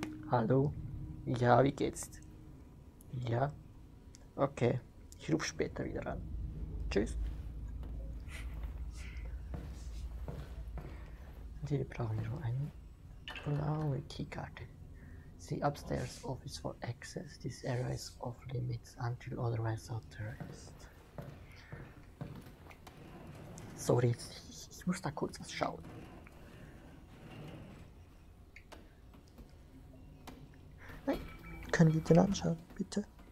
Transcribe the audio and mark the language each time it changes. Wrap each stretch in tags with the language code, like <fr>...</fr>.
<de>Hallo? Ja, wie geht's? Ja? Okay. Ich ruf später wieder an. Tschüss. Und hier brauchen wir noch eine blaue Keykarte.</de> <en>See upstairs office for access. This area is off limits until otherwise authorized.</en> <de>Sorry, ich muss da kurz was schauen. Nein, können wir den anschauen, bitte?</de>